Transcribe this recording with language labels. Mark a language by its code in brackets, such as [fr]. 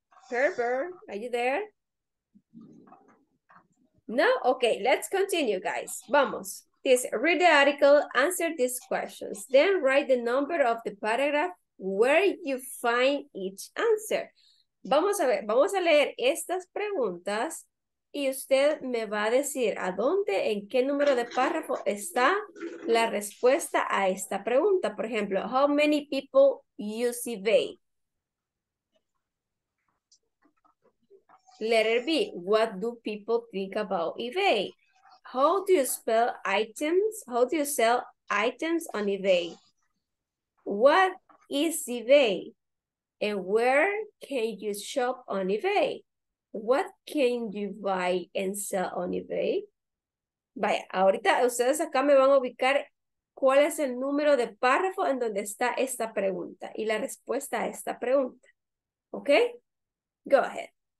[en] Herbert, are you there? No? Okay, let's continue, guys. Vamos. This, read the article, answer these questions. Then write the number of the paragraph where you find each answer. [es] Vamos a ver, vamos a leer estas preguntas y usted me va a decir a dónde, en qué número de párrafo está la respuesta a esta pregunta. [en] Por ejemplo, how many people use eBay? Letter B, what do people think about eBay? How do you spell items? How do you sell items on eBay? What is eBay? And where can you shop on eBay? What can you buy and sell on eBay? [es] Vaya, ahorita ustedes acá me van a ubicar cuál es el número de párrafo en donde está esta pregunta y la respuesta a esta pregunta. [en] Okay? Go ahead.